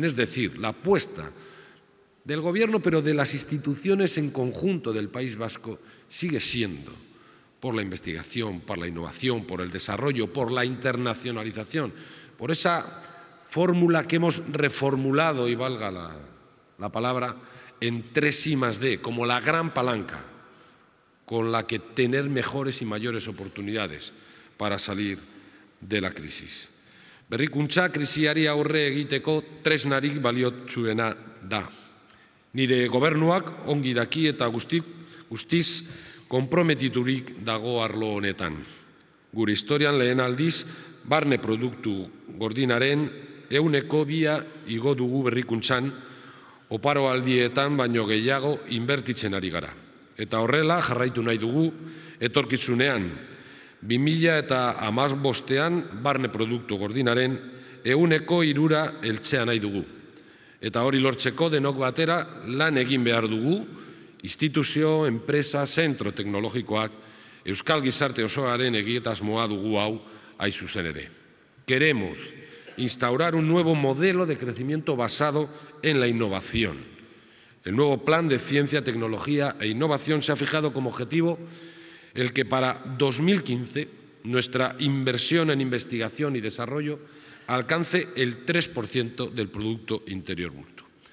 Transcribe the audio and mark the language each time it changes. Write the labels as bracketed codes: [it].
[es] Es decir, la apuesta del Gobierno, pero de las instituciones en conjunto del País Vasco, sigue siendo por la investigación, por la innovación, por el desarrollo, por la internacionalización, por esa fórmula que hemos reformulado, y valga la palabra, en 3I+D, como la gran palanca con la que tener mejores y mayores oportunidades para salir de la crisis. [eu] Berrikuntza krisiari aurre egiteko tresnarik baliotsuena da. Nire gobernuak ongi daki eta guztiz konprometiturik dago arlo honetan. Gure historian lehen aldiz, barne produktu gordinaren 2%-a igo dugu berrikuntzan, oparo aldietan baino gehiago inbertitzen ari gara. Eta horrela jarraitu nahi dugu etorkizunean. 2015-ean barne produktu gordinaren 3%-a heltzea nahi dugu. Eta hori lortzeko denok batera lan egin behar dugu, instituzio, enpresa, zentro teknologikoak, euskal gizarte osoaren egitasmoa dugu hau hain zuzen ere. [es] Queremos instaurar un nuevo modelo de crecimiento basado en la innovación. El nuevo plan de ciencia, tecnología e innovación se ha fijado como objetivo el que para 2015 nuestra inversión en investigación y desarrollo alcance el 3% del Producto Interior Bruto.